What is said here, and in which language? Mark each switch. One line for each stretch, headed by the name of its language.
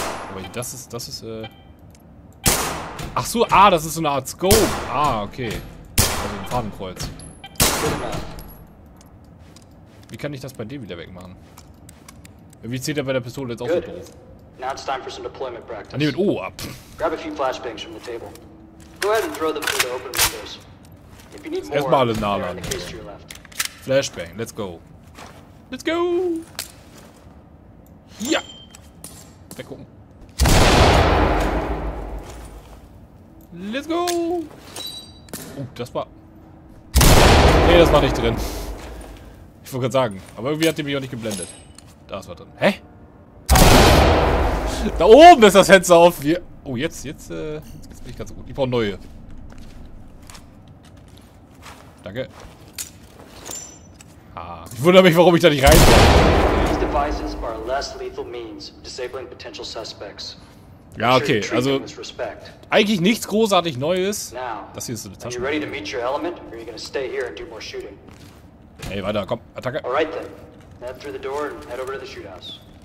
German: Aber das ist, ach so, das ist so eine Art Scope. Ah, okay. Also ein Fadenkreuz. Wie kann ich das bei dem wieder wegmachen? Wie zählt er bei der Pistole jetzt auch so doof?
English: Now it's time for some deployment practice.
German: Ah, nee, mit O ab.
English: Grab a few flashbangs from the table. Go ahead and throw them through the open windows. If you need more,
German: erstmal alle nachladen.
English: Flashbang, let's go. Let's go!
German: Ja! Weggucken.
English: Let's go!
German: Oh, das war. Nee, das war nicht drin. Ich wollte gerade sagen. Aber irgendwie hat die mich auch nicht geblendet. Da ist was drin. Hä? Da oben ist das Fenster auf. Wir. Oh, jetzt bin ich ganz gut. Ich brauche neue. Danke. Ah, ich wundere mich, warum ich da nicht rein.
English: These devices are less lethal means of disabling potential suspects.
German: Ja, okay, also eigentlich nichts großartig Neues. Das hier ist so eine Tasche.
English: Ready to meet your element, or are you gonna stay here and do more shooting?
German: Hey, weiter, komm, Attacke.
English: Alright then. Head through the door and head over to the shoot house.